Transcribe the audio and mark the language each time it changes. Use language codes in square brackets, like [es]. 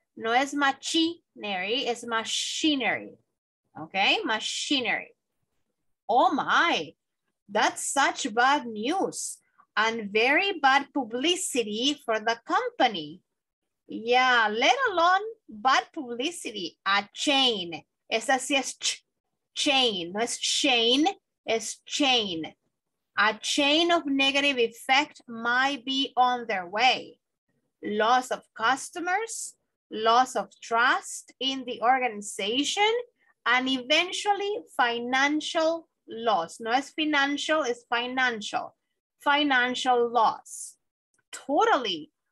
[es] No es [en] machinery, it's machinery. Okay, machinery. Oh my, that's such bad news and very bad publicity for the company. Yeah, let alone bad publicity, a chain. [es] Esa sí es chain, no es chain, es chain. [en] A chain of negative effect might be on their way. Loss of customers, loss of trust in the organization, and eventually financial loss. [es] No es [en] financial, it's financial. Financial loss. Totally.